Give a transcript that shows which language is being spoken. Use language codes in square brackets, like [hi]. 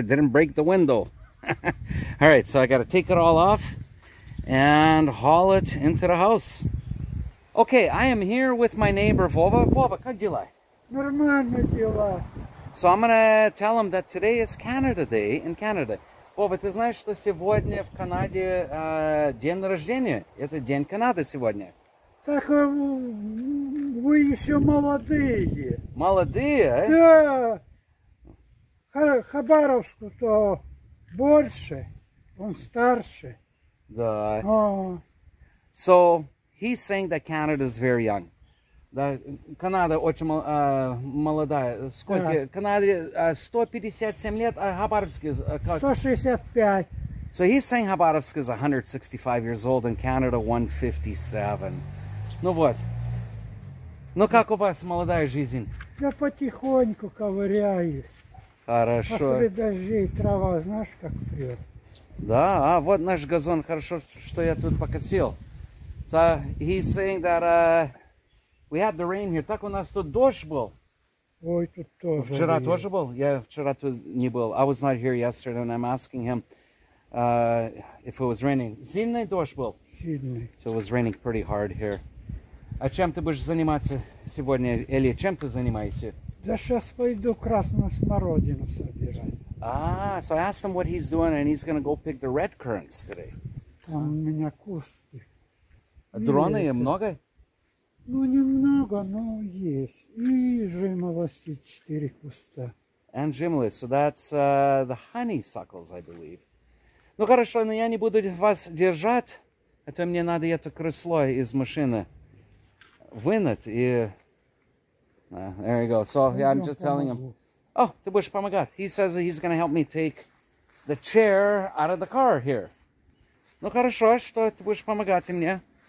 [en] Didn't break the window. All right, so I got to take it all off and haul it into the house. Okay, I am here with my neighbor, Vova. [ru] Vova, как дела? Нормально дела. [en] So I'm going to tell him that today is Canada Day in Canada. [ru] Вова, ты знаешь, что сегодня в Канаде день рождения? Это день Канады сегодня. Так вы еще молодые. Молодые, а? Да. Хабаровску то больше, он старше. Да. [en] So he's saying that Canada is very young. [ru] Да, Канада очень молодая. Сколько? Да. Канаде 157 лет, а Хабаровск 165. [en] So he's saying Хабаровск is 165 years old and Canada 157. [ru] Ну вот. Ну как у вас молодая жизнь? Я потихоньку ковыряюсь. Хорошо. После дождей трава, знаешь, как прет. Да, а вот наш газон, хорошо, что я тут покосил. [en] So he's saying that we had the rain here. [ru] Так у нас тут дождь был. Ой, тут тоже. Вчера рей. Тоже был? Я вчера тут не был. [en] I was not here yesterday and I'm asking him if it was raining. [ru] Сильный дождь был? Сильный. [en] So it was raining pretty hard here. [ru] А чем ты будешь заниматься сегодня, Эли? Чем ты занимаешься? Да сейчас пойду красную смородину собирать. [en] Ah, so I asked him what he's doing, and he's going to go pick the red currants today. [ru] Там у меня кусты. А дроны и много? Ну, немного, но есть. И жимолости, 4 куста. [en] And жимолости, so that's the honeysuckles, I believe. [ru] Ну, хорошо, но я не буду вас держать, а то мне надо это кресло из машины вынуть, и... [en] there you go. So, yeah, I'm just telling him. Oh, [ru] ты будешь помогать. [en] He says that he's going to help me take the chair out of the car here. [ru] Ну хорошо, что ты будешь помогать мне.